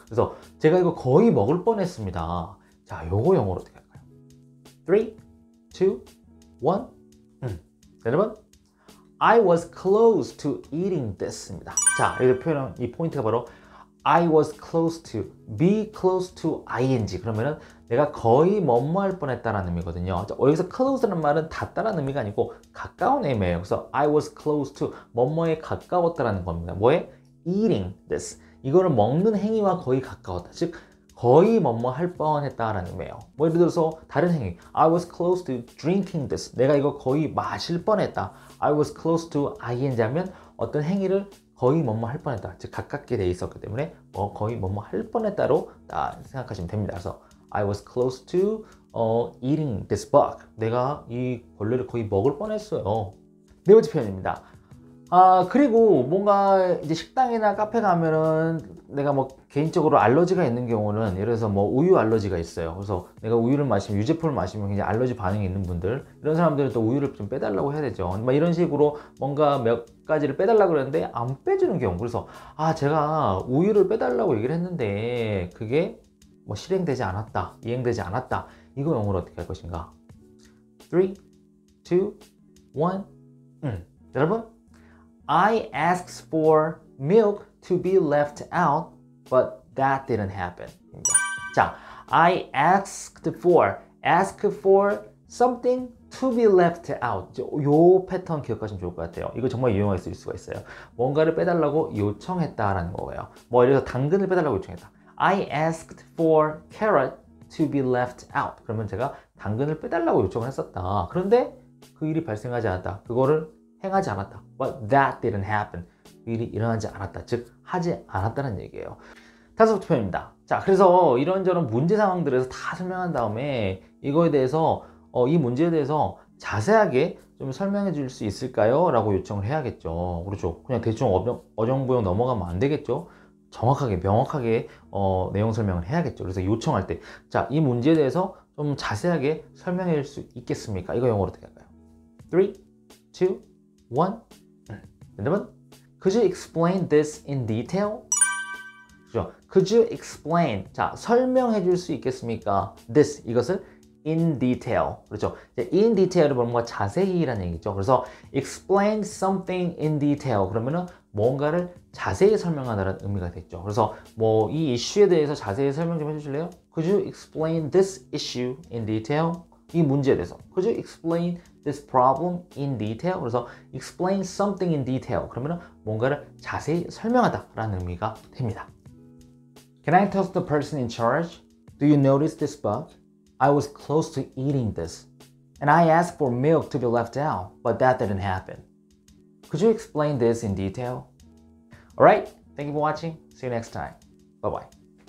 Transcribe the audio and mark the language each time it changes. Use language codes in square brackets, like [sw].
[ko] 그래서 제가 이거 거의 먹을 뻔했습니다. 자, 요거 영어로 어떻게 할까요? 3, 2, 1. 여러분, [en] I was close to eating this입니다. [ko] 자, 이렇게 표현한 이 포인트가 바로 [en] I was close to, be close to ing. [ko] 그러면은 내가 거의 뭐뭐할 뻔했다라는 의미거든요. 여기서 close라는 말은 닿다라는 의미가 아니고 가까운 의미예요. 그래서 [en] I was close to [ko] 뭐뭐에 가까웠다라는 겁니다. 뭐에? [en] eating this. [ko] 이거를 먹는 행위와 거의 가까웠다. 즉, 거의 뭐뭐할 뻔했다라는 의미예요. 뭐 예를 들어서 다른 행위. [en] I was close to drinking this. [ko] 내가 이거 거의 마실 뻔했다. I was close to ing 하면 어떤 행위를 거의 뭐뭐 할 뻔했다. 즉 가깝게 돼 있었기 때문에 뭐 거의 뭐뭐 할 뻔했다로 생각하시면 됩니다. [en] 그래서 I was close to eating this bug. [ko] 내가 이 벌레를 거의 먹을 뻔했어요. 네 번째 표현입니다. 아, 그리고 뭔가 이제 식당이나 카페 가면은 내가 뭐 개인적으로 알러지가 있는 경우는 예를 들어서 뭐 우유 알러지가 있어요. 그래서 내가 우유를 마시면 유제품을 마시면 굉장히 알러지 반응이 있는 분들 이런 사람들은 또 우유를 좀 빼달라고 해야 되죠. 막 이런 식으로 뭔가 몇 가지를 빼달라고 그러는데 안 빼주는 경우. 그래서 아 제가 우유를 빼달라고 얘기를 했는데 그게 뭐 실행되지 않았다, 이행되지 않았다. 이거 영어로 어떻게 할 것인가? 3, 2, 1. 여러분, [en] I asked for milk to be left out. But that didn't happen. [ko] 자, [en] I asked for something to be left out. [ko] 요 패턴 기억하시면 좋을 것 같아요. 이거 정말 유용할 수 있을 수가 있어요. 뭔가를 빼달라고 요청했다라는 거예요. 뭐 예를 들어서 당근을 빼달라고 요청했다. [en] I asked for carrot to be left out. [ko] 그러면 제가 당근을 빼달라고 요청을 했었다. 그런데 그 일이 발생하지 않았다. 그거를 행하지 않았다. [en] But that didn't happen. [ko] 일이 일어나지 않았다. 즉, 하지 않았다는 얘기예요. 다섯 표입니다. 자, 그래서 이런저런 문제 상황들에서 다 설명한 다음에 이거에 대해서 이 문제에 대해서 자세하게 좀 설명해 줄 수 있을까요? 라고 요청을 해야겠죠. 그렇죠. 그냥 대충 어정부영 넘어가면 안 되겠죠. 정확하게 명확하게 내용 설명을 해야겠죠. 그래서 요청할 때, 자, 이 문제에 대해서 좀 자세하게 설명해 줄 수 있겠습니까? 이거 영어로 어떻게 할까요? 3, 2, 1. [en] 여러분, could you explain this in detail? [ko] 그렇죠? [en] Could you explain? [ko] 자, 설명해 줄 수 있겠습니까? [en] This, [ko] 이것을 [en] in detail. [ko] 그렇죠? In detail을 보면 뭔가 자세히라는 얘기죠. 그래서 [en] explain something in detail. [ko] 그러면은 뭔가를 자세히 설명하다는 의미가 됐죠. 그래서 뭐 이 이슈에 대해서 자세히 설명 좀 해주실래요? [en] Could you explain this issue in detail? [ko] 이 문제에 대해서. [en] Could you explain this problem in detail? [ko] 그래서 [en] explain something in detail. [ko] 그러면 뭔가를 자세히 설명하다라는 의미가 됩니다. [en] Can I talk to the person in charge? Do you notice this bug? I was close to eating this. And I asked for milk to be left out, but that didn't happen. Could you explain this in detail? Alright, thank you for watching. See you next time. Bye-bye.